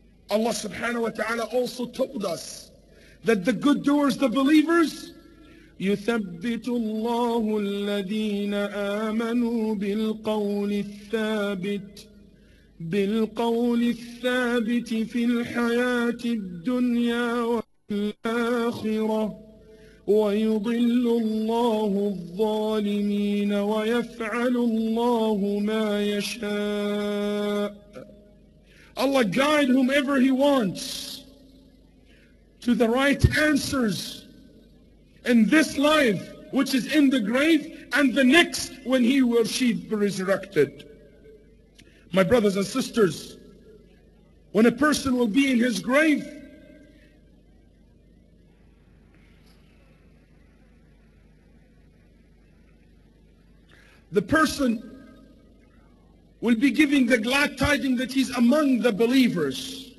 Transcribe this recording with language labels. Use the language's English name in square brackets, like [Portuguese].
[Arabic] Allah subhanahu wa ta'ala [English] also told us that the good doers, the believers, [Arabic] يُثَبِّتُ اللَّهُ الَّذِينَ آمَنُوا بِالْقَوْلِ الثَّابِتِ بِالْقَوْلِ الثَّابِتِ فِي الْحَيَاةِ الدُّنْيَا وَالْآخِرَةِ ويضل الله الظالمين ويفعل الله ما يشاء. [English] Allah guide whomever He wants to the right answers in this life which is in the grave and the next when He or she be resurrected. My brothers and sisters, when a person will be in his grave, the person will be giving the glad tidings that he's among the believers.